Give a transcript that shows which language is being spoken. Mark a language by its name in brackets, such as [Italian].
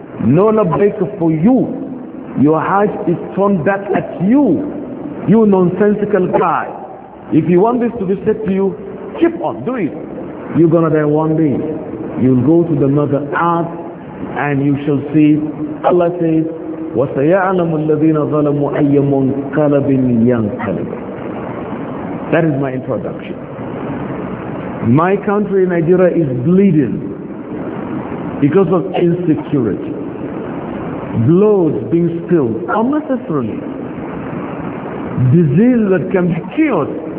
[English] No لبيك for you. Your Hajj is turned back at you. You nonsensical guy. If you want this to be said to you, keep on, do it. You're gonna die one day. You'll go to the mother earth and you shall see. Allah says, [Arabic] وَسَيَعْلَمُ الَّذِينَ ظَلَمُوا أَيَّ مُنْقَلَبٍ يَنْقَلِبٍ. [English] That is my introduction. My country, Nigeria, is bleeding because of insecurity. Blood being spilled unnecessarily. Disease that can be cured.